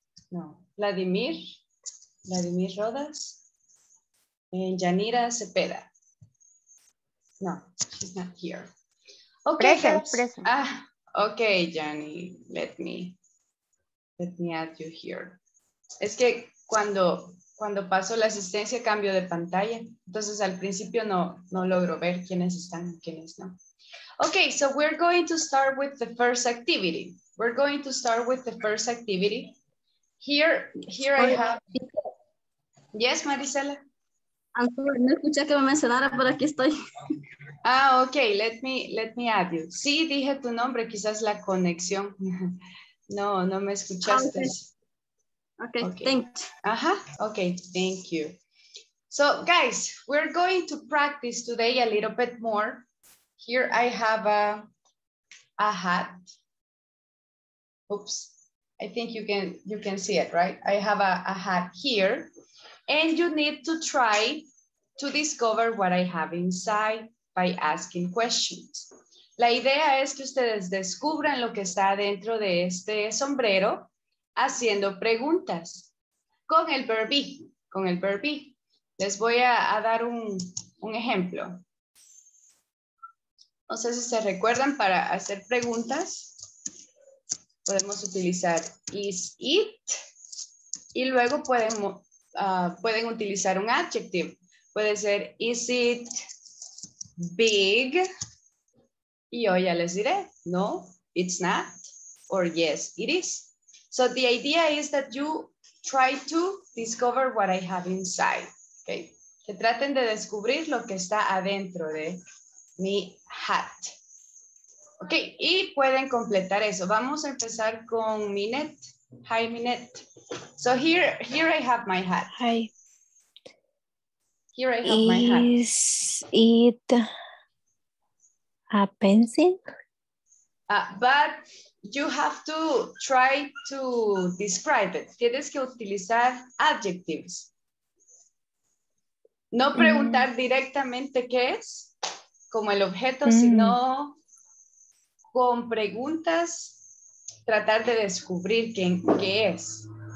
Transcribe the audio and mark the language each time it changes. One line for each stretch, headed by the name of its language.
English: No. Vladimir. Vladimir Rodas. Yanira Cepeda. No, she's not here. Okay, present. Ah, okay, Jenny, let me add you here.
Spanish: Es que cuando paso la asistencia, cambio de pantalla. Entonces, al principio no logro ver quiénes están y quiénes no.
English: Okay, so we're going to start with the first activity. We're going to start with the first activity. Here I have... Yes, Marisela?
Spanish: No escuché que me mencionara, pero aquí estoy.
English: Ah, ok, let me add you. Sí, dije tu nombre, quizás la conexión.
Spanish: No me escuchaste.
English: Okay, thank you. Ajá, ok, thank you. So, guys, we're going to practice today a little bit more. Here I have a hat. Oops, I think you can see it, right? I have a hat here. And you need to try to discover what I have inside by asking questions.
Spanish: La idea es que ustedes descubran lo que está dentro de este sombrero haciendo preguntas con el verb be, con el verb be. Les voy a dar un ejemplo. No sé si se recuerdan, para hacer preguntas podemos utilizar is it, y luego pueden utilizar un adjective.
English: Puede ser, is it big?
Spanish: Y yo ya les diré, no, it's not. Or yes, it is.
English: So the idea is that you try to discover what I have inside. Okay?
Spanish: Que traten de descubrir lo que está adentro de mi hat. Okay? Y pueden completar eso. Vamos a empezar con Minette. Hi, Minette.
English: So here I have my hat. Hi. Here I have my hat. Is it a pencil? But you have to try to describe it.
Spanish: Tienes que utilizar adjectives. No preguntar directamente qué es, como el objeto, sino con preguntas, tratar de descubrir qué es.